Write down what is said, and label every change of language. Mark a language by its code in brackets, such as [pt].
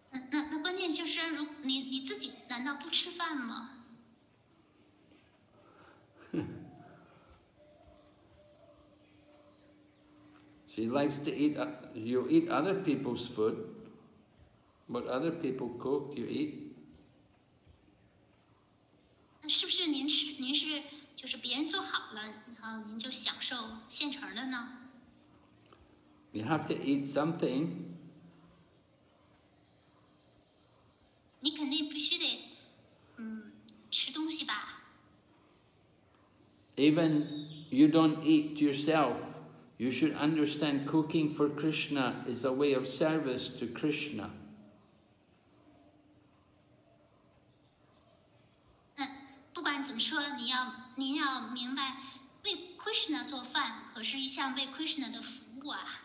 [zh] 那关键就是，如你自己难道不吃饭吗？ [en] She likes to eat, you eat other people's food. What other people cook, you eat. [zh] 是不是您是就是别人做好了，然后您就享受现成的呢？ [en] You have to eat something. [zh] 你肯定必须得吃东西吧。 [en] Even you don't eat yourself. You should understand cooking for Krishna is a way of service to Krishna. [zh] 不管怎么说，您要明白，为 Krishna 做饭可是一项为 Krishna 的服务啊。